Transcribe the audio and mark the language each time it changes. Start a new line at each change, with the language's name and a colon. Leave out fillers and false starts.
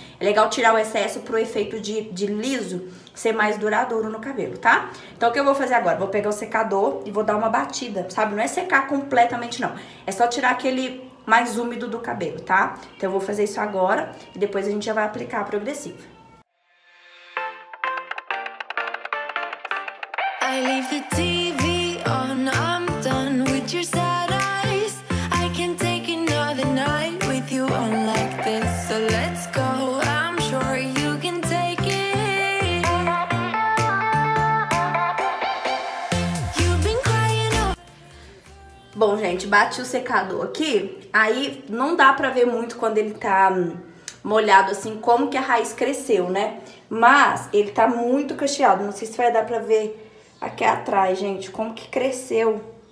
Portuguese: É legal tirar o excesso pro efeito de liso ser mais duradouro no cabelo, tá? Então o que eu vou fazer agora? Vou pegar o secador e vou dar uma batida, sabe? Não é secar completamente, não. É só tirar aquele mais úmido do cabelo, tá? Então eu vou fazer isso agora e depois a gente já vai aplicar a progressiva.
English: I leave the TV on, I'm done with your sad eyes. I can take another night with you on like this. So let's go, I'm sure you can take it. You've been crying all...
Portuguese: Bom, gente, bati o secador aqui. Aí não dá pra ver muito quando ele tá molhado assim, como que a raiz cresceu, né? Mas ele tá muito cacheado. Não sei se vai dar pra ver aqui atrás, gente, como que cresceu.